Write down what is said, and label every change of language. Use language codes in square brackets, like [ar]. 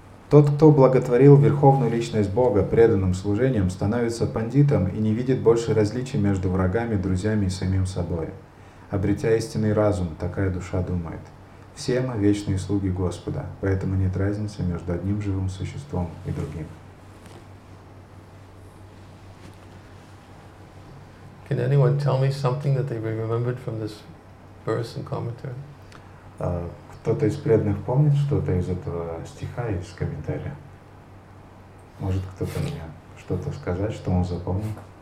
[ru] Тот, кто благотворил Верховную Личность Бога преданным служением, становится пандитом и не видит больше различий между врагами, друзьями и самим собой. Обретя истинный разум, такая душа думает. Все мы вечные слуги Господа, поэтому нет разницы между одним живым существом и другим. [en] Can anyone tell me something that they remembered from this verse and commentary? [ru] Кто-то из преданных помнит что-то из этого стиха, из комментария? Может кто-то мне что-то сказать, что он запомнил?